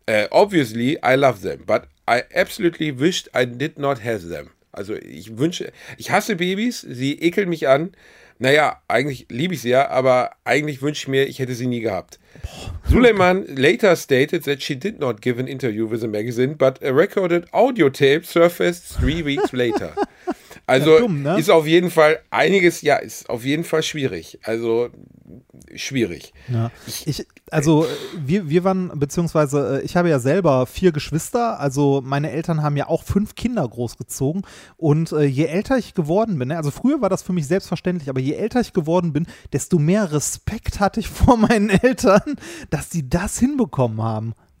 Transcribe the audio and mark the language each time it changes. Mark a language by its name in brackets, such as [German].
[English] Obviously, I love them, but I absolutely wished I did not have them. [German] Also ich wünsche, ich hasse Babys, sie ekeln mich an. Naja, eigentlich liebe ich sie ja, aber eigentlich wünsche ich mir, ich hätte sie nie gehabt. [English] Suleiman later stated that she did not give an interview with a magazine, but a recorded audio tape surfaced 3 weeks later. [German] Also ja, dumm, ne? Ist auf jeden Fall einiges, ja, ist auf jeden Fall schwierig. Also schwierig. Ja. Wir waren, beziehungsweise ich habe ja selber 4 Geschwister, also meine Eltern haben ja auch 5 Kinder großgezogen und je älter ich geworden bin, also früher war das für mich selbstverständlich, aber je älter ich geworden bin, desto mehr Respekt hatte ich vor meinen Eltern, dass sie das hinbekommen haben.